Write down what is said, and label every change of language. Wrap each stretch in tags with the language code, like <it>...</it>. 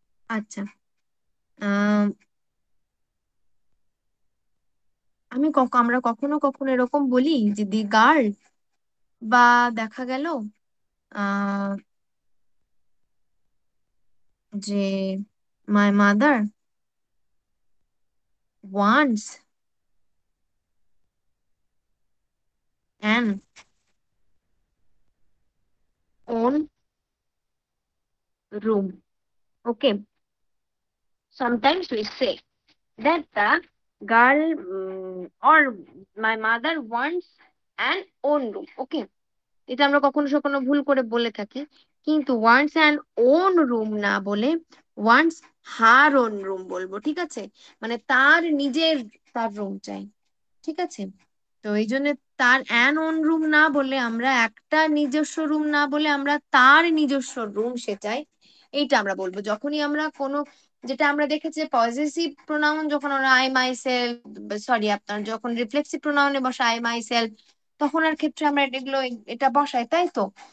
<bn>আচ্ছা, আমি আমরা কখনো কখনো এরকম বলি যে</bn> <en>the girl,</en> <bn>বা দেখা গেল যে</bn> <en>My mother wants an own room. Okay. Sometimes we say that the girl or my mother wants an own room. Okay.</en> <bn>এটা আমরা কখনো সখনো ভুল করে বলে থাকি, কিন্তু</bn> <en>wants an own room</en> <bn>না বলে</bn> <en>wants her own room</en> <bn>বলবো, ঠিক আছে? মানে তার নিজের তার রুম চাই, ঠিক আছে? তো এই জন্য তার অ্যান ওন রুম না বলে আমরা, একটা নিজস্ব রুম না বলে আমরা তার নিজস্ব রুম সে চাই, এইটা আমরা বলবো যখনই আমরা কোনো, যেটা আমরা দেখেছি পজেসিভ প্রোনাউন যখন আমরা আই মাই সেলফ, সরি আপনার যখন রিফ্লেক্সিভ প্রোনাউনে বসে আই মাই সেলফ, তখন আর ক্ষেত্রে আমরা এগুলো এটা বসাই, তাই তো?</bn>